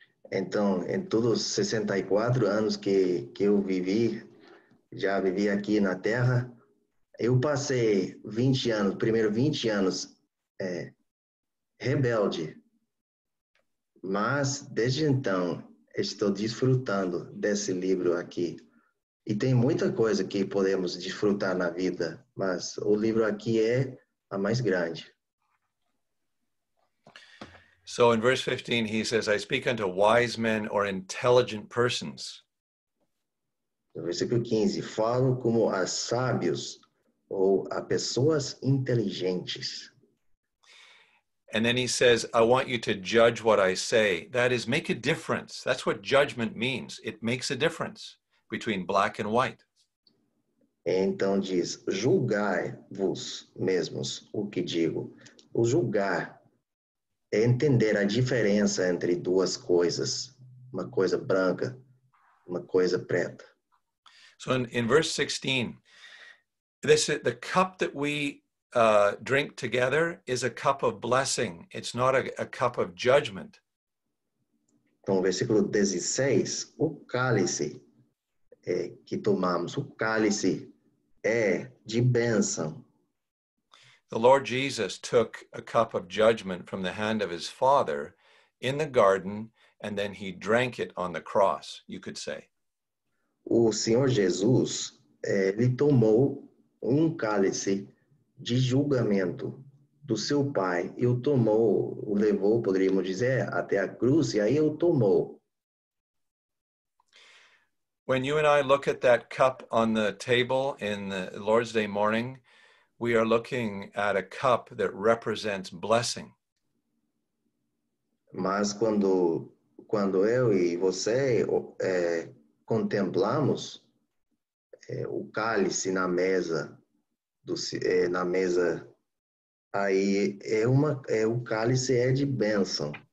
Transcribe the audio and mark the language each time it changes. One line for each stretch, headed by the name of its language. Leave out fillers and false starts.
Portuguese: Então, em todos os 64 anos que eu vivi, já vivi aqui na Terra, eu passei 20 anos, primeiro 20 anos, rebelde. Mas, desde então, estou desfrutando desse livro aqui. E tem muita coisa que podemos desfrutar na vida, mas o livro aqui é a mais grande.
English: So, in verse 15, he says, I speak unto wise men or intelligent persons.
Portuguese: No versículo 15, falo como a sábios ou a pessoas inteligentes.
English: And then he says, I want you to judge what I say. That is, make a difference. That's what judgment means. It makes a difference between black and white.
Portuguese: Então diz, julgai-vos mesmos o que digo. O julgar é entender a diferença entre duas coisas. Uma coisa branca, uma coisa preta.
English: So in verse 16, this is the cup that we drink together is a cup of blessing. It's not a cup of judgment.
Portuguese: Então, versículo 16, o cálice que tomamos, o cálice é de bênção.
English: The Lord Jesus took a cup of judgment from the hand of his Father in the garden, and then he drank it on the cross, you could say.
Portuguese: O Senhor Jesus, ele tomou um cálice de julgamento do seu pai e o tomou, o levou, poderíamos dizer, até a cruz, e aí o tomou.
English: When you and I look at that cup on the table in the Lord's Day morning, we are looking at a cup that represents blessing.
Portuguese: Mas quando eu e você contemplamos o cálice na mesa do na mesa, aí o cálice é de bênção.